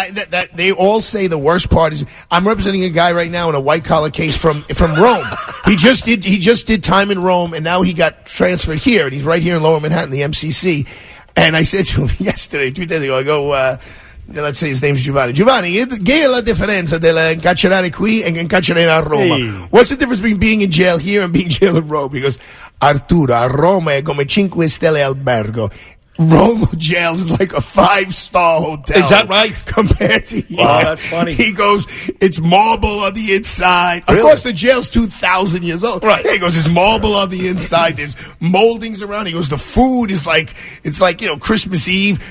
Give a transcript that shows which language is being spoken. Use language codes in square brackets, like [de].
[en] That they all say the worst part is. I'm representing a guy right now in a white collar case from Rome. He just did time in Rome, and now he got transferred here, and he's right here in Lower Manhattan, the MCC. And I said to him yesterday, 2 days ago, I go, let's say his name's Giovanni. [it] Giovanni, che è la differenza della incarcerare qui e incarcerare a Roma? [en] Hey. What's the difference between being in jail here and being in jail in Rome? Because [it] Arturo, a Roma è come cinque stelle albergo. [en] Rome jails is like a 5-star hotel. Is that right? Compared to here. Wow, that's funny. He goes, it's marble on the inside. Really? Of course, the jail's 2,000 years old. Right. He goes, it's marble on the inside. There's moldings around. He goes, the food is like, it's like, you know, Christmas Eve.